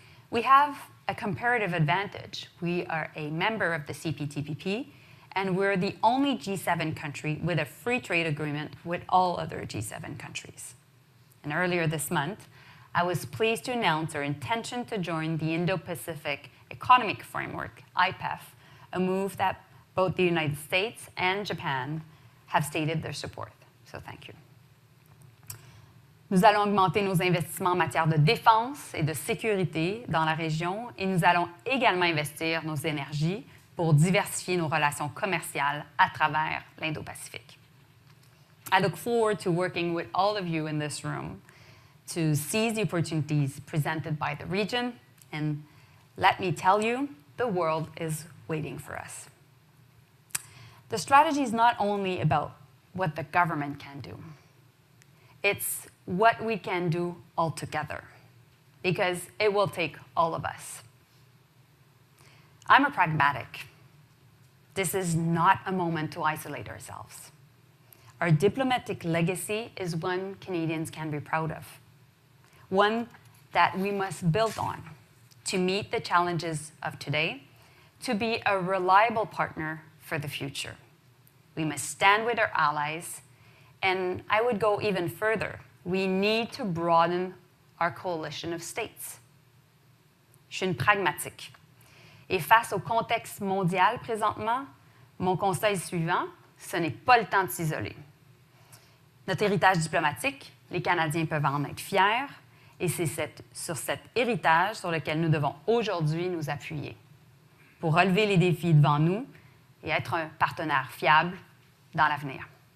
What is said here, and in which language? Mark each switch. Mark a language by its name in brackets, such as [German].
[English] We have a comparative advantage. We are a member of the CPTPP, and we're the only G7 country with a free trade agreement with all other G7 countries. And earlier this month, I was pleased to announce our intention to join the Indo-Pacific Economic Framework, IPEF, a move that both the United States and Japan have stated their support. So thank you. [French] Nous allons augmenter nos investissements en matière de défense et de sécurité dans la région, et nous allons également investir nos énergies pour diversifier nos relations commerciales à travers l'Indo-Pacifique. [English] I look forward to working with all of you in this room to seize the opportunities presented by the region. And let me tell you, the world is waiting for us. The strategy is not only about what the government can do. It's what we can do all together, because it will take all of us. I'm a pragmatic. This is not a moment to isolate ourselves. Our diplomatic legacy is one Canadians can be proud of, one that we must build on to meet the challenges of today, to be a reliable partner for the future. We must stand with our allies, and I would go even further. We need to broaden our coalition of states. [French] Je suis une pragmatique. Et face au contexte mondial présentement, mon conseil suivant, ce n'est pas le temps de s'isoler. Notre héritage diplomatique, les Canadiens peuvent en être fiers, et c'est sur cet héritage sur lequel nous devons aujourd'hui nous appuyer pour relever les défis devant nous et être un partenaire fiable dans l'avenir.